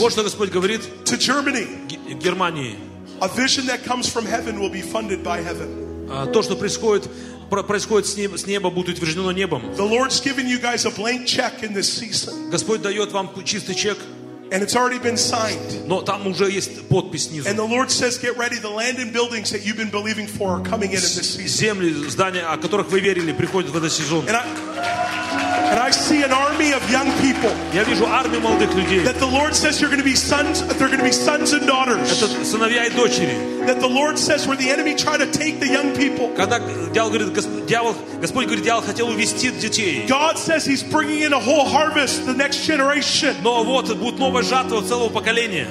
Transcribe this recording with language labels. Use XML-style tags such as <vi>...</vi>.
<ru>Вот что Господь говорит.</ru> <en>To Germany.</en> <ru>Германии.</ru> <en>A vision that comes from heaven will be funded by heaven.</en> <ru>То, что происходит с неба, будет утверждено небом.</ru> <en>The Lord's given you guys a blank check in this season.</en> <ru>Господь дает вам чистый чек.</ru> <en>And it's already been signed.</en> <ru>Но там уже есть подпись снизу.</ru> <en>And the Lord says, get ready. The land and buildings that you've been believing for are coming in this season.</en> <ru>Земли, здания, о которых вы верили, приходят в этот сезон.</ru> <en>And I see an army of young people.</en> <ru>Я вижу армию молодых людей.</ru> <en>That the Lord says you're going to be sons. They're going to be sons and daughters.</en> <ru>Это сыновья и дочери.</ru> <en>That the Lord says where the enemy tried to take the young people.</en> <ru>Когда дьявол хотел увести детей.</ru> <en>God says He's bringing in a whole harvest, the next generation.</en> <ru>Но вот будет новая жатва целого поколения.</ru>